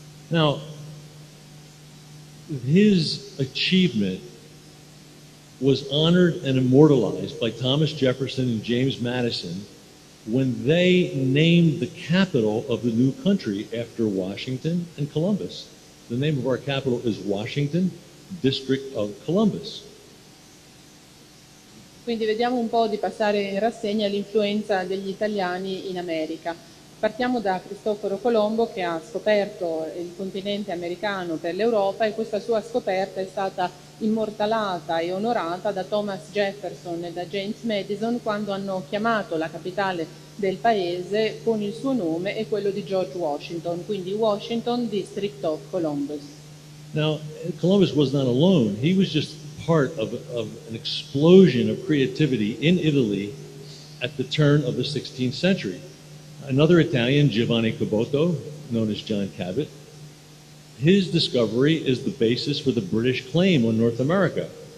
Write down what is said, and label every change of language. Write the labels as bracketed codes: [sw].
[en] Now, his achievement was honored and immortalized by Thomas Jefferson and James Madison when they named the capital of the new country after Washington and Columbus. The name of our capital is Washington, District of Columbus. [it] Quindi vediamo un po' di passare in rassegna l'influenza degli italiani in America. Partiamo da Cristoforo Colombo, che ha scoperto il continente americano per l'Europa, e questa sua scoperta è stata immortalata e onorata da Thomas Jefferson e da James Madison quando hanno chiamato la capitale del paese con il suo nome e quello di George Washington, quindi Washington, District of Columbus. [en] Now, Columbus was not alone. He was just part of an explosion of creativity in Italy at the turn of the 16th century. Another Italian, Giovanni Caboto, known as John Cabot, his discovery is the basis for the British claim on North America.